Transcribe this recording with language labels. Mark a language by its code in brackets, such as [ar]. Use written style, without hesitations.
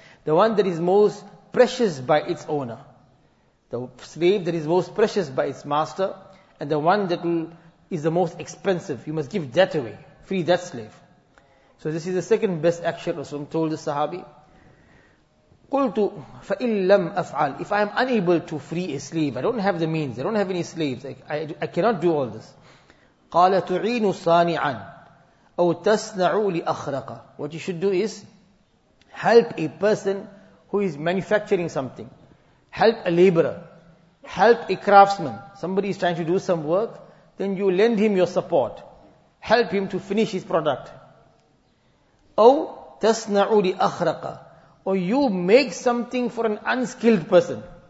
[en] The one that is most precious by its owner. The slave that is most precious by its master, and the one that is the most expensive. You must give that away. Free that slave. So this is the second best action Rasulullah told the Sahabi. [ar] قُلْتُ فَإِنْ لَمْ أَفْعَلْ. [en] If I am unable to free a slave, I don't have the means, I don't have any slaves, I cannot do all this. [ar] قَالَ تُعِينُ صَانِعًا أَوْ تَسْنَعُ لِأَخْرَقَ. [en] What you should do is, help a person who is manufacturing something. Help a laborer. Help a craftsman. Somebody is trying to do some work, then you lend him your support. Help him to finish his product. [ar] أو تصنع لأخرق, [en] or you make something for an unskilled person.